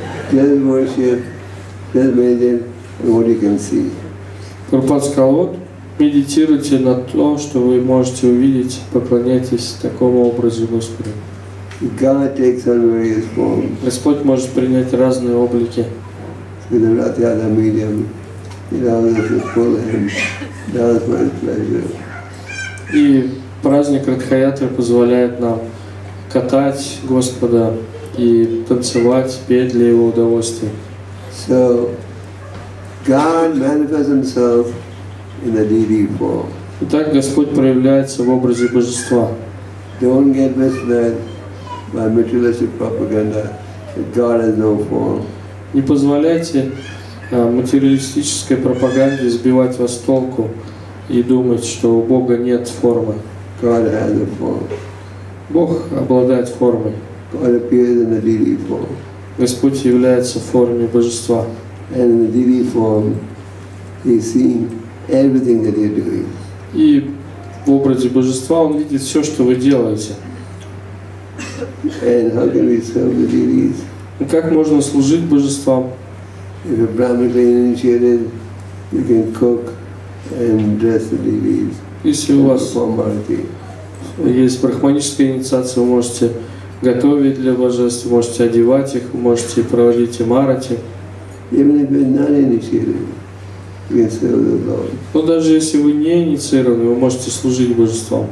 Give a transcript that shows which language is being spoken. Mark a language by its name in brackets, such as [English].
[English] Just worship, just meditate what you can see. [Russian] Прабхупада сказал, вот медитируйте на то, что вы можете увидеть, поклоняйтесь такому образу Господу. [English] God takes on various forms. [Russian] Господь может принять разные облики. [English] So the Radhyada medium, he does it for him, does for his pleasure. [Russian] И праздник Радхаятры позволяет нам катать Господа и танцевать, петь для его удовольствия. [English] So God manifests himself in a deity form. [Russian] Итак, Господь проявляется в образе божества. [English] Don't get misled. By materialistic propaganda, that God has no form. [Russian] Не позволяйте материалистической пропаганде сбивать вас с толку и думать, что у Бога нет формы. [English] God has a form. [Russian] Бог обладает формой. [English] God appears in a deity form. [Russian] Господь является в форме божества. [English] And in a deity form, he's seeing everything that you're doing. [Russian] И в образе божества он видит все, что вы делаете. [English] And how can we serve the deities? [Russian] Как можно служить божествам? [English] If you're Brahmically initiated, you can cook and dress the deities. [Russian] Если у вас есть брахманическая инициация, вы можете готовить для божеств, можете одевать их, можете проводить им арати. [English] Even if you're not initiated, you can serve the Lord. [Russian] Но даже если вы не инициированы, вы можете служить божествам.